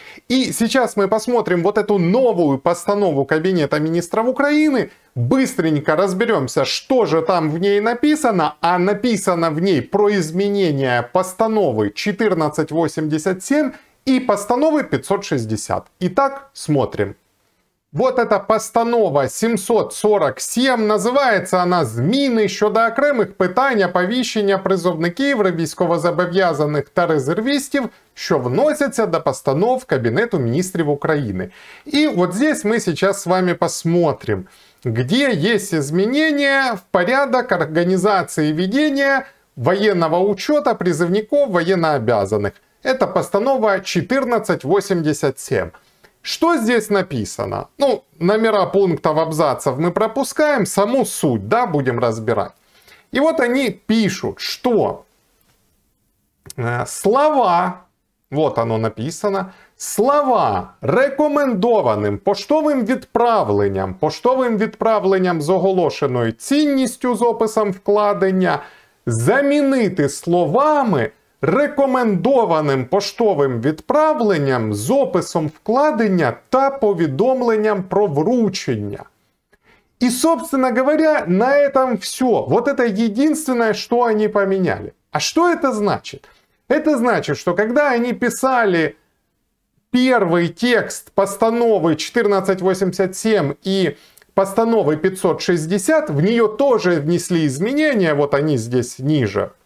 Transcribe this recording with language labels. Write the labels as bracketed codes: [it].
[ru] И сейчас мы посмотрим вот эту новую постанову Кабинета министров Украины. Быстренько разберемся, что же там в ней написано. А написано в ней про изменение постановы 1487 и постановы 560. Итак, смотрим. Вот эта постанова 747, называется она [uk] «Зміни щодо окремих питань оповіщення призовників і військовозобов'язаних та резервістів, що вносяться до постанов Кабінету міністрів України». І от [ru] здесь ми сейчас с вами посмотрим, где есть изменения в порядок организации ведения военного учета призывников военнообязанных. Это постанова 1487. Что здесь написано? Ну, номера пунктов абзацев мы пропускаем, саму суть, да, будем разбирать. И вот они пишут, что слова, вот оно написано, слова [uk] рекомендованим поштовим відправленням, з оголошеною цінністю з описом вкладення, замінити словами рекомендованим поштовим відправленням з описом вкладення та повідомленням про вручення. [ru] І, собственно говоря, на этом все. Вот это единственное, что они поменяли. А что это значит? Это значит, что когда они писали первый текст постановы 1487 и постановы 560, в нее тоже внесли изменения, вот они здесь ниже.